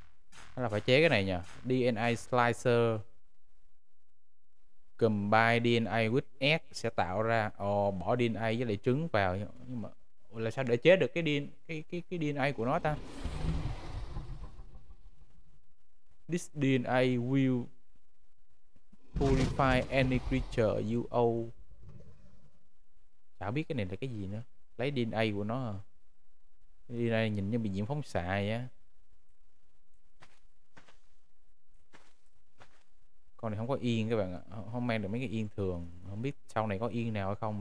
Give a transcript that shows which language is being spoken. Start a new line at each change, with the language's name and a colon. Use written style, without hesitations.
Vietnamese: Hay là phải chế cái này nhỉ?
English: DNA Slicer Combine DNA with Egg
Vietnamese: sẽ tạo ra. Bỏ DNA với lại trứng vào. Nhưng mà là sao để chế được cái DNA, cái DNA của nó ta?
English: This DNA will purify any creature you own.
Vietnamese: Chả biết cái này là cái gì nữa. Lấy DNA của nó. DNA nhìn như bị nhiễm phóng xạ vậy á. Con này không có yên các bạn ạ. Không mang được mấy cái yên thường. Không biết sau này có yên nào hay không.